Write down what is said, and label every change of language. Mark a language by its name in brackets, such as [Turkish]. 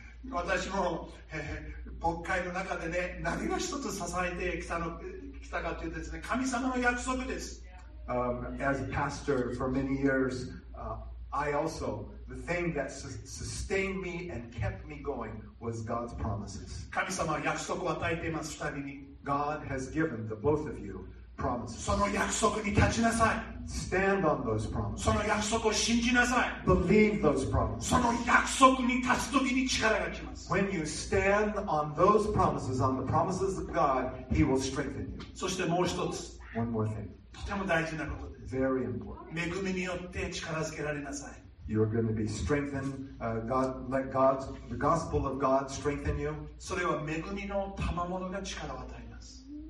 [Japanese] 私も牧会の中でね、何が一つ支えてきたかというとですね、神様の約束です。 [English] As a pastor for many years, I also, the thing that sustained me and kept me going was God's promises. [Japanese] 神様は約束を与えています、二人に。 [English] God has given the both of you promises. [Japanese] その約束に立ちなさい。 [English] Stand on those promises. [Japanese] その約束を信じなさい。 [English] Believe those promises. [Japanese] その約束に立つときに力が来ます。 [English] When you stand on those promises, on the promises of God, He will strengthen you. [Japanese] そしてもう一つ。 [English] One more thing. [Japanese] とても大事なことです。 [English] Very important. [Japanese] 恵みによって力づけられなさい。 [English] You're going to be strengthened. The gospel of God strengthen you. [Japanese] それは恵みの賜物が力を与えます。